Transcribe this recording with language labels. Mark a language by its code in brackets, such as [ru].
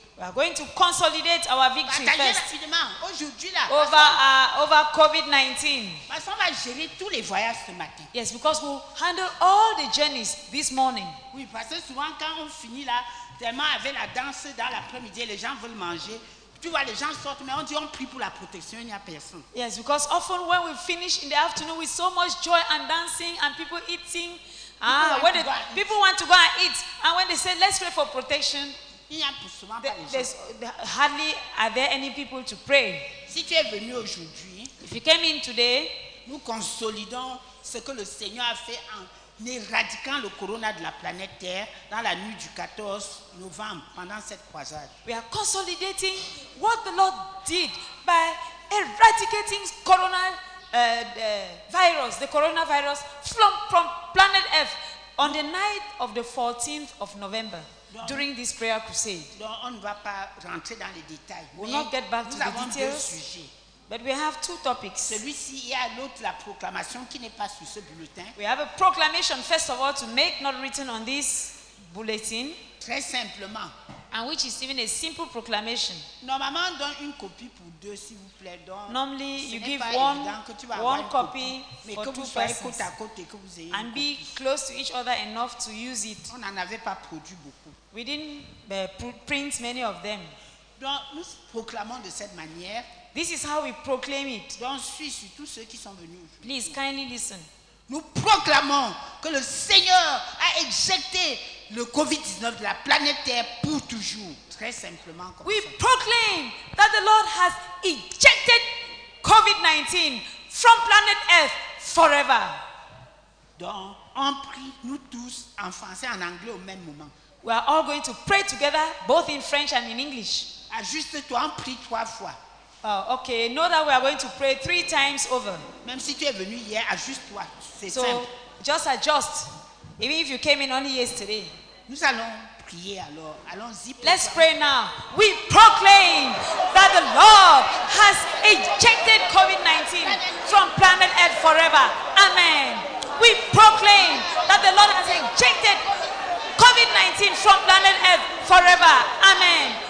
[en] We are going to consolidate our victory first. [fr] Aujourd'hui là, [en] over COVID-19. [fr] Parce qu'on va gérer tous les voyages ce matin. [en] Yes, because we'll handle all the journeys this morning. [fr] Oui, parce que souvent quand on finit là, tellement avec la danse dans l'après-midi, les gens veulent manger. Tu vois, les gens sortent, mais on dit on prie pour la protection, il n'y a personne. [en] Yes, because often when we finish in the afternoon with so much joy and dancing and people eating, people want to go and eat, and when they say let's pray for protection, [fr] il n'y a plus souvent pas les gens. [en] Hardly are there any people to pray. [fr] Si tu es venu aujourd'hui, [en] if you came in today, [fr] nous consolidons ce que le Seigneur a fait en n'éradiquant le corona de la planète Terre dans la nuit du 14 novembre pendant cette croisade. [en] We are consolidating what the Lord did by eradicating corona virus, the coronavirus from planet Earth on the night of the 14th of November. [fr] Donc, [en] during this prayer crusade. [fr] Donc on ne va pas rentrer dans les détails. [en] We'll not get back to the details. [fr] Deux sujets. [en] But we have two topics. [fr] Celui-ci et à l'autre, la proclamation qui n'est pas sur ce bulletin. [en] We have a proclamation, first of all, to make not written on this bulletin. [fr] Très simplement. [en] And which is even a simple proclamation. [fr] Normalement, on donne une copie pour deux, s'il vous plaît. Donc, [en] normally, you give one copy [fr] mais [en] for [fr] que [en] two [fr] vous soyez [en] persons. [fr] Côte à côté, que vous ayez [en] and [fr] copie. [en] Be close to each other enough to use it. [fr] On n'en avait pas produit beaucoup. [en] We didn't print many of them. [fr] Donc, nous proclamons de cette manière. [en] This is how we proclaim it. [fr] Donc, suis tous ceux qui sont venus. [en] Please kindly listen. [fr] Nous proclamons que le Seigneur a éjecté le COVID-19 de la planète Terre pour toujours. Très simplement comme [en] we [fr] ça. [en] We proclaim that the Lord has ejected COVID-19 from planet Earth forever. [fr] Donc, on prie nous tous en français et en anglais au même moment. [en] We are all going to pray together, both in French and in English. [fr] Ajuste-toi, on prie trois fois. [en] Oh, okay, know that we are going to pray three times over. [fr] Même si tu es venu hier, ajuste-toi, c'est [en] so, [fr] simple. [en] Just adjust, even if you came in only yesterday. [fr] Nous allons prier alors, allons-y. [en] Let's pray now. We proclaim that the Lord has ejected COVID-19 from planet Earth forever. Amen. We proclaim that the Lord has ejected COVID-19 from planet Earth forever. Amen.